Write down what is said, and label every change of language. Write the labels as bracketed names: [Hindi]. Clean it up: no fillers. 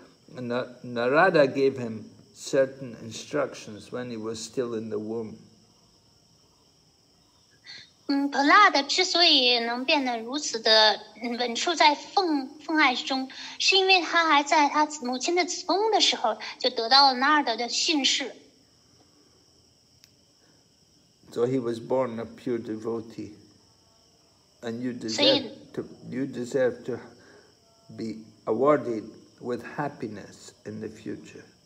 [English] Narada gave him certain instructions when he was still in the womb. [Chinese] Prahlad 之所以能变得如此的稳处在父爱中，是因为他还在他母亲的子宫的时候就得到了纳尔德的训示。 [English] So he was born a pure devotee, and you deserve to be awarded with happiness in the future.